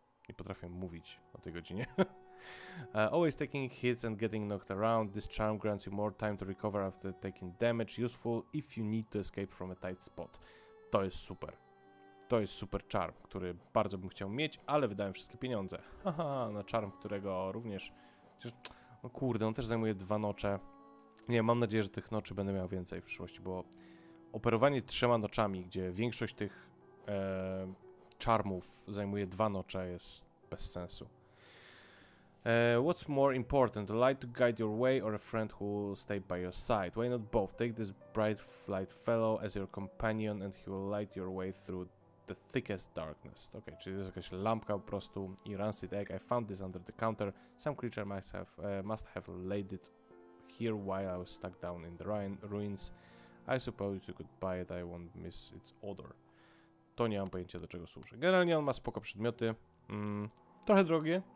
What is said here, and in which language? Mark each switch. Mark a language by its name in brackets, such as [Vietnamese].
[Polish] Nie potrafię mówić o tej godzinie. [English] always taking hits and getting knocked around. This charm grants you more time to recover after taking damage. Useful if you need to escape from a tight spot. [Polish] To jest super. To jest super charm, który bardzo bym chciał mieć, ale wydałem wszystkie pieniądze. Haha, na charm, którego również... No kurde, on też zajmuje dwa nocze. Nie, mam nadzieję, że tych noczy będę miał więcej w przyszłości, bo operowanie trzema noczami, gdzie większość tych charmów zajmuje dwa nocze, jest bez sensu. [English] What's more important, a light to guide your way or a friend who will stay by your side? Why not both? Take this bright light fellow as your companion and he will light your way through the thickest darkness. [Polish] Okay, czyli to jest jakaś lampka po prostu i rancid egg. [English] I found this under the counter. Some creature must have laid it here while I was stuck down in the ruins. I suppose you could buy it, I won't miss its odor. [Polish] To nie mam pojęcia, do czego służy. Generalnie on ma spoko przedmioty. Trochę drogie.